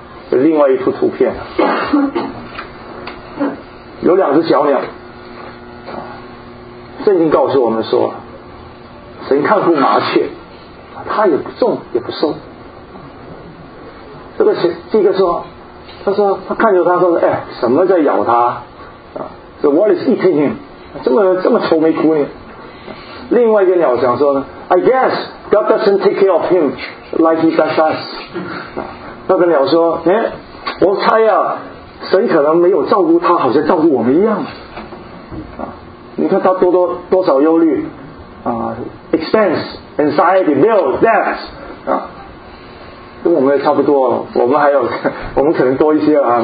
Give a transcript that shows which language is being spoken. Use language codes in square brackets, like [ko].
[zh] 有另外一幅图片，有两只小鸟，圣经告诉我们说神看顾麻雀，他也不种也不收。这个说，他说他看着他说，哎，什么在咬他？ [en] So what is eating him？ [zh] 这么愁眉苦脸。另外一个鸟想说呢 [en] ，I guess God doesn't take care of him like he does us。 [zh] 那个鸟说，哎，我猜啊，神可能没有照顾他，好像照顾我们一样。你看他多少忧虑，expense。 [en] Anxiety, bills, debts [zh] 跟我们也差不多，我们还有，我们可能多一些啊。